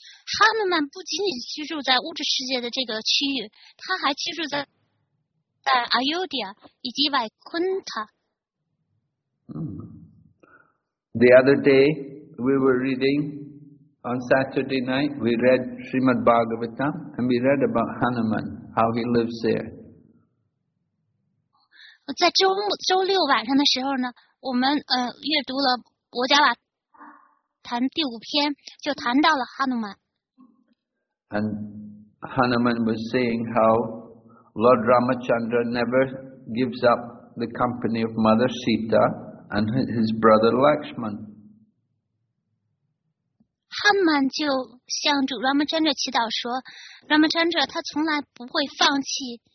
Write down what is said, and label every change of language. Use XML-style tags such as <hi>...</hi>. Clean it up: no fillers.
<zh>Hanuman 不仅仅居住在物质世界的这个区域，他还居住在 Ayodhya 以及 Vaikuntha.</zh> <en>The other day, we were reading, on Saturday night, we read Srimad Bhagavatam, and we read about Hanuman, how he lives there.</en> <zh>在周六晚上的时候呢，我们阅读了薄伽瓦坛第五篇，就谈到了哈努曼。</zh> <en>And Hanuman was saying how Lord Ramachandra never gives up the company of Mother Sita and his brother Lakshman.</en> <zh>哈努曼就向主 Ramachandra 祈祷说 ，Ramachandra 他从来不会放弃。</zh>